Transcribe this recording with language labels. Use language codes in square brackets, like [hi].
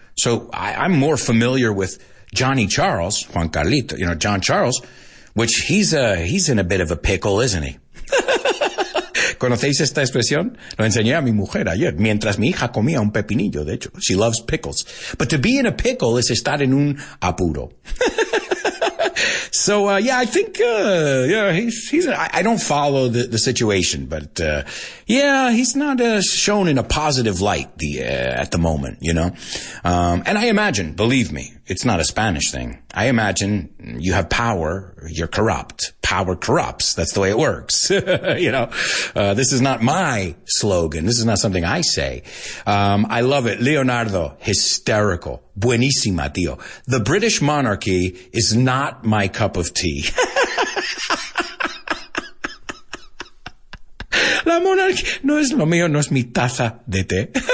[en] So I'm more familiar with Johnny Charles, Juan Carlito, you know, John Charles, which he's in a bit of a pickle, isn't he? [es] ¿Conocéis esta expresión? Lo enseñé a mi mujer ayer, mientras mi hija comía un pepinillo, de hecho. [en] She loves pickles. But to be in a pickle is [es] estar en un apuro. [en] So, yeah, I think, I don't follow the situation, but, yeah, he's not, shown in a positive light at the moment, you know? And I imagine, believe me, it's not a Spanish thing. I imagine you have power, you're corrupt. Power corrupts. That's the way it works. You know, this is not my slogan. This is not something I say. I love it. Leonardo, hysterical. [es] Buenísima, tío. [en] The British monarchy is not my cup of tea. [es] La monarquía no es lo mío, no es mi taza de té.